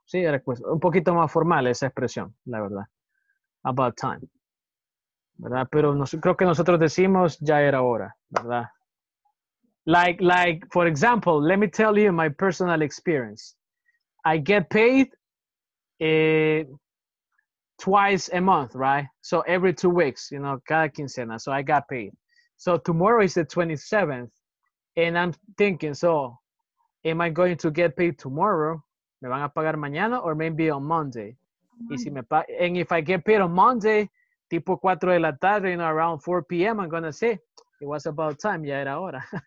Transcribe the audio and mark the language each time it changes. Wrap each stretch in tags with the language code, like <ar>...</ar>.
<es>Sí, era un poquito más formal esa expresión, la verdad.</es> <en>About time.</en> <es>¿Verdad? Pero creo que nosotros decimos ya era hora, ¿verdad?</es> <en>Like, for example, let me tell you my personal experience. I get paid twice a month, right? So every 2 weeks, you know,</en> <es>cada quincena.</es> <en>So I got paid. So tomorrow is the 27th. And I'm thinking, so am I going to get paid tomorrow?</en> <es>¿Me van a pagar mañana</es> <en>or maybe on Monday?</en> <es>Y si me</es> <en>and if I get paid on Monday,</en> <es>tipo 4 de la tarde,</es> <en>you know, around 4 p.m., I'm going to say, it was about time,</en> <es>ya era hora.</es>